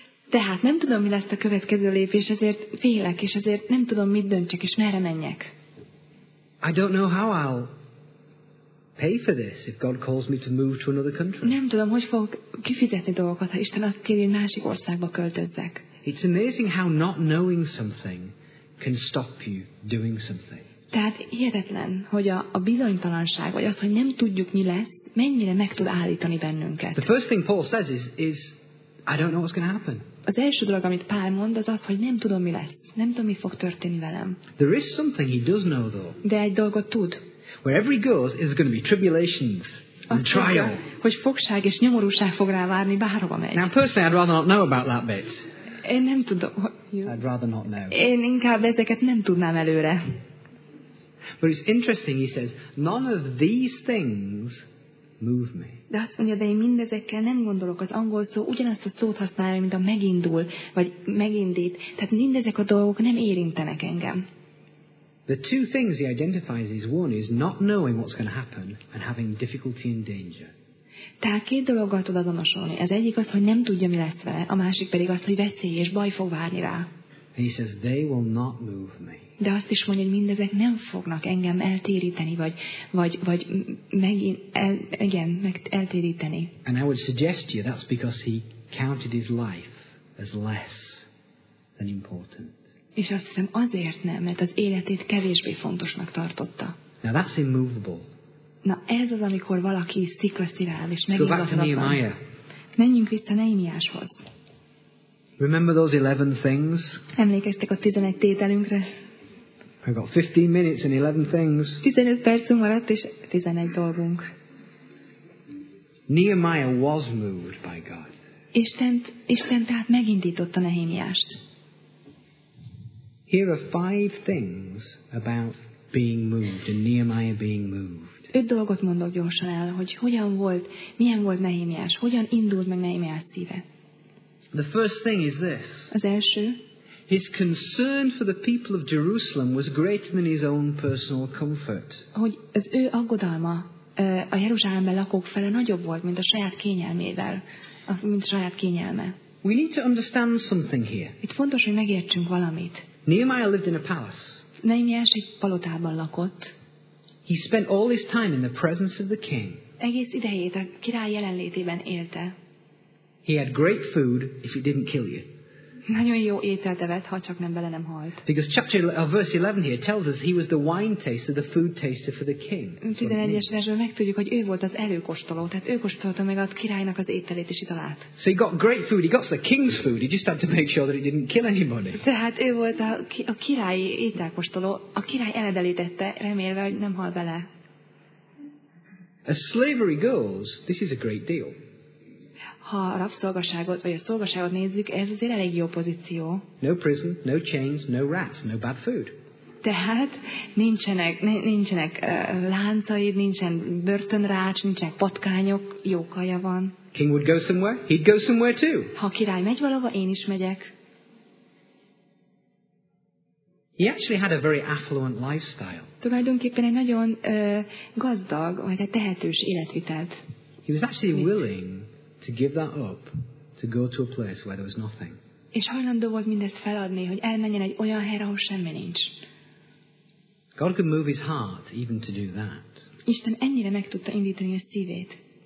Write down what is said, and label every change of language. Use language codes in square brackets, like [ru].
[hu] Tehát nem tudom, mi lesz a következő lépés, ezért félek, és ezért nem tudom, mit döntsek, és merre menjek. [en] I don't know how I'll pay for this if God calls me to move to another country. [hu] Nem tudom, hogy fogok kifizetni dolgokat, ha Isten azt kéri, hogy másik országba költözzek. [en] It's amazing how not knowing something can stop you doing something. [hu] Tehát hihetetlen, hogy a bizonytalanság, vagy az, hogy nem tudjuk, mi lesz, mennyire meg tud állítani bennünket. [en] The first thing Paul says is I don't know what's going to happen. [hu] Az első dolog, amit Pál mond, az, hogy nem tudom, mi lesz. Nem tudom, mi fog történni velem. [en] There is something he does know, though. [hu] De egy dolgot tud. [en] Wherever he goes, there's going to be tribulations and trial. [hu] Hogy fogság és nyomorúság fog rá várni, bárhova megy. [en] Now, personally, I'd rather not know about that bit. [hu] Én nem tudom. [en] I'd rather not know. [hu] Én inkább ezeket nem tudnám előre. [en] But it's interesting, he says, none of these things move me. [hu] De azt mondja, de én mindezekkel nem gondolok, az angol szó ugyanazt a szót használja, mint a megindul, vagy megindít. Tehát mindezek a dolgok nem érintenek engem. [en] The two things he identifies is one is not knowing what's going to happen and having difficulty and danger. [hu] Tehát két dologgal tud azonosulni. Az egyik az, hogy nem tudja, mi lesz vele, a másik pedig az, hogy veszély és baj fog várni rá. [en] And he says, they will not move me. [hu] De azt is mondja, hogy mindezek nem fognak engem eltéríteni, vagy megint, igen, meg eltéríteni. [en] And I would suggest to you that's because he counted his life as less than important. [hu] És azt hiszem azért nem, mert az életét kevésbé fontosnak tartotta. [en] Now that's immovable. [hu] Na ez az, amikor valaki sziklaszirál és megindulatlan. [en] So [hu] menjünk vissza Nehémiáshoz. [en] Remember those 11 things? [hu] Emlékeztek a 11 tételünkre? [en] I got 15 minutes and 11 things. [hu] 15 percünk maradt és 11 dolgunk. [en] Nehemiah was moved by God. [hu] Isten tehát megindította Nehémiást. [en] Here are five things about being moved and Nehemiah being moved. [hu] Öt dolgot mondok gyorsan el, hogy hogyan volt, milyen volt Nehémiás, hogyan indult meg Nehémiás szíve. [en] The first thing is this. [hu] Az első. [en] His concern for the people of Jerusalem was greater than his own personal comfort. [hu] Hogy az ő aggodalma a Jeruzsálemben lakók fele nagyobb volt, mint a saját kényelmével, mint a saját kényelme. [en] We need to understand something here. [hu] Itt fontos, hogy megértsünk valamit. [en] Nehemiah lived in a palace. [hu] Nehemiás egy palotában lakott. [en] He spent all his time in the presence of the king. [hu] egész idejét a király jelenlétében élte. [en] He had great food if it didn't kill you. [hu] Nagyon jó ételt evett, ha csak nem bele nem halt. [en] Because chapter verse 11 here tells us he was the wine taster, the food taster for the king. [hu] 11-es versben megtudjuk, hogy ő volt az előkóstoló, tehát ő kóstolta meg a királynak az ételét és italát. [en] So he got great food, he got the king's food, he just had to make sure that it didn't kill anybody. [hu] Tehát ő volt a királyi ételkóstoló, a király eledelítette, remélve, hogy nem hal bele. [en] As slavery goes, this is a great deal. [hu] Ha a rabszolgaságot vagy a szolgaságot nézzük, ez azért elég jó pozíció. [en] No prison, no chains, no rats, no bad food. [hu] Tehát nincsenek láncaid, nincsen börtönrács, nincsenek patkányok, jó kaja van. [en] King would go somewhere, he'd go somewhere too. [hu] Ha a király megy valahova, én is megyek. [en] He actually had a very affluent lifestyle. [hu] Tulajdonképpen egy nagyon gazdag, vagy egy tehetős életvitelt. [en] He was actually willing to give that up, to go to a place where there was nothing. [hu] És hajlandó volt mindezt feladni, hogy elmenjen egy olyan helyre, ahol semmi nincs. [en] God could move his heart even to do that. [hu] Isten ennyire meg tudta indítani a szívét.